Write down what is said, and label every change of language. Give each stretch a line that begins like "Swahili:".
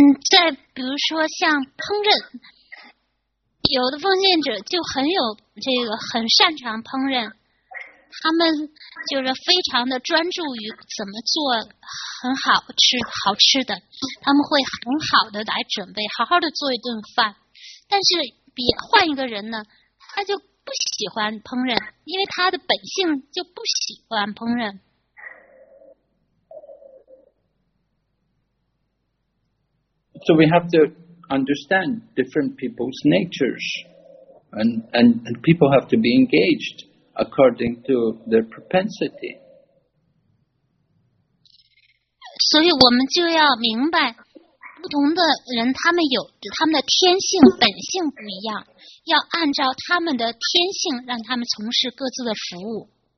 Chinese: 再比如说像烹饪，有的奉献者就很有这个很擅长烹饪，他们就是非常的专注于怎么做很好吃好吃的，他们会很好的来准备，好好的做一顿饭。但是换一个人呢，他就不喜欢烹饪，因为他的本性就不喜欢烹饪。
English: So we have to understand different people's natures and people have to be engaged according to their propensity.
Chinese: 所以我们就要明白不同的人他们有他们的天性本性不一样，要按照他们的天性让他们从事各自的服务。